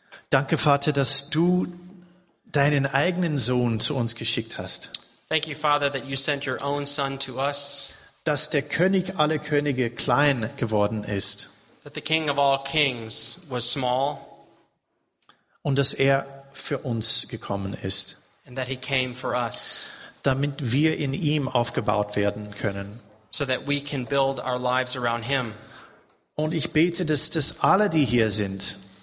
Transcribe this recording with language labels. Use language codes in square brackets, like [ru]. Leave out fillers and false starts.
[de] Danke, Vater, dass du deinen eigenen Sohn zu uns geschickt hast. [en] Thank you, Father, that you sent your own son to us. [de] Dass der König aller Könige klein geworden ist. [en] That the King of all kings was small. [de] Und dass er für uns gekommen ist. [en] And that he came for us. [de] Damit wir in ihm aufgebaut werden können. [en] So that we can build our lives around him. [de] Und ich bete, dass alle, die hier sind,